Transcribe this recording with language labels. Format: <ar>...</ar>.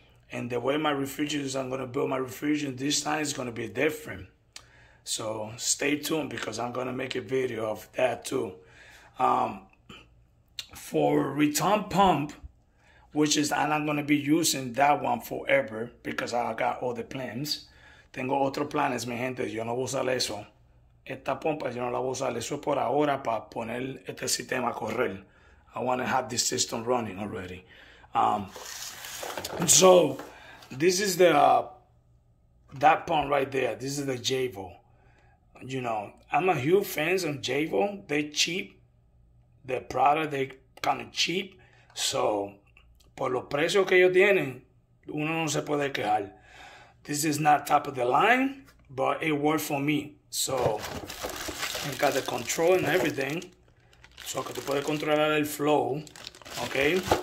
<en>And the way my refrigerant is, I'm gonna build my refrigerant this time is gonna be different. So stay tuned, because I'm gonna make a video of that too. For return pump, which is, I'm not gonna be using that one forever because I got other plans.</en> <es>Tengo otros planes, mi gente. Yo no voy a usar eso. Esta pompa yo no la voy a usar. Eso es por ahora para poner este sistema a correr.</es> <en>I want to have this system running already. So this is the that pump right there. This is the Javo. I'm a huge fan of Javo. They're cheap. The product, they kind of cheap.</en> <es>So, por los precios que ellos tienen, uno no se puede quejar.</es> <en>This is not top of the line, but it worked for me. So I got the control and everything.</en> <es>So que tú puedes controlar el flow, okay?</es>